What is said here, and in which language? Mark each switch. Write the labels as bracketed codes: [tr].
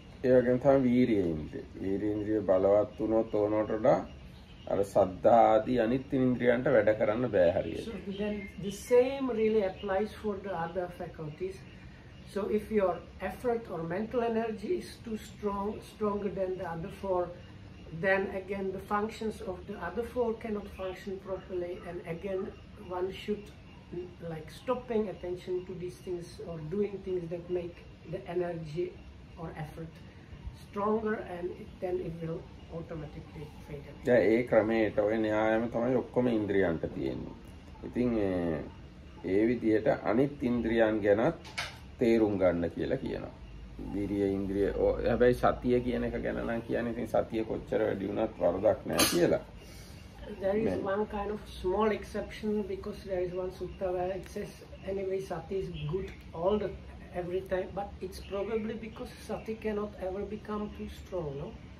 [si] ඒකෙන් තමයි වීර්යෙන්ද්‍රිය බලවත් වුණොත් ඕනට වඩා අර සද්දා ආදී අනිත් ඉන්ද්‍රියන්ට වැඩ කරන්න බෑ හරියට. [en] So then the same really applies for the other faculties. So if your effort or mental energy is too strong, stronger than the other four, then again the functions of the other four cannot function properly, and again one should like stop paying attention to these things or doing things that make the energy or effort stronger, and then it will automatically fade away. [si] Yeah, ඒ ක්‍රමයට ඔය න්‍යායම තමයි ඔක්කොම ඉන්ද්‍රියන්ට තියෙන්නේ. ඉතින් ඒ විදිහට අනිත් ඉන්ද්‍රියන් ගැනත් තේරුම් ගන්න කියලා කියනවා. විරිය ඉන්ද්‍රිය හැබැයි සතිය කියන එක ගැන නම් කියන්නේ ඉතින් සතිය කොච්චර වැඩි වුණත් වරදක් නැහැ කියලා. [en] There is one kind of small exception because there is one sutta where it says anyway sati is good all the every time, but it's probably because sati cannot ever become too strong, no?